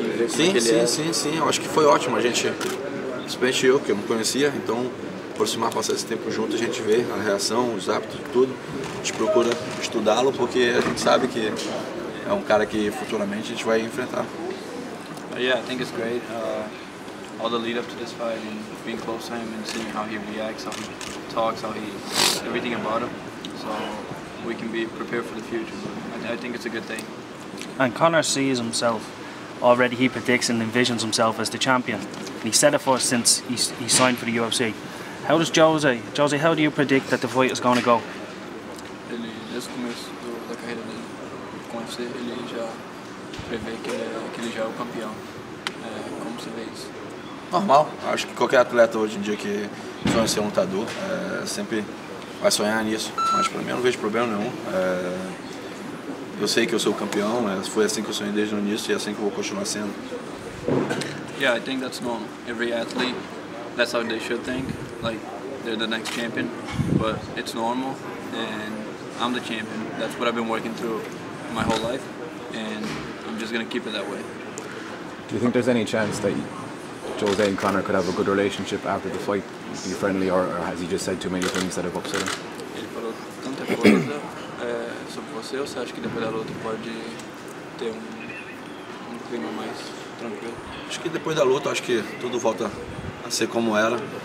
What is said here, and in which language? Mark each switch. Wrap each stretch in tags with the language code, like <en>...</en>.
<pt>Sim. Eu acho que foi ótimo a gente, principalmente eu, que eu não conhecia, então aproximar, passar esse tempo junto, a gente vê a reação, os hábitos, tudo. A gente procura estudá-lo, porque a gente sabe que é um cara que futuramente a gente vai enfrentar.</pt> <en>Yeah, I think it's great. All the lead up to this fight and being close to him and seeing how he reacts, how he talks, how he everything about him, so we can be prepared for the future. I think it's a good thing. And Conor sees himself already. He predicts and envisions himself as the champion. And he said it for us since he signed for the UFC. How does Jose, how do you predict that the fight is going to go?</en> <pt>Ele, desde o começo da carreira dele com o UFC, ele já prevê que ele já é o campeão. Como você vê isso? Normal. Acho que qualquer atleta hoje em dia que sonha ser lutador sempre vai sonhar nisso. Mas para mim eu não vejo problema nenhum. Eu sei que eu sou o campeão, mas foi assim que eu sonhei desde o início e é assim que eu vou continuar sendo.</pt> <en>Yeah, I think that's normal. Every athlete, that's how they should think. Like, they're the next champion, but it's normal, and I'm the champion. That's what I've been working through my whole life, and I'm just going to keep it that way. Do you think there's any chance that Jose and Conor could have a good relationship after the fight? Be friendly, or has he just said too many things that have upset him?</en> <pt>Ele falou tanta coisa sobre você, ou você acha que depois da luta pode ter um clima mais tranquilo? Acho que depois da luta, acho que tudo volta a ser como era.</pt>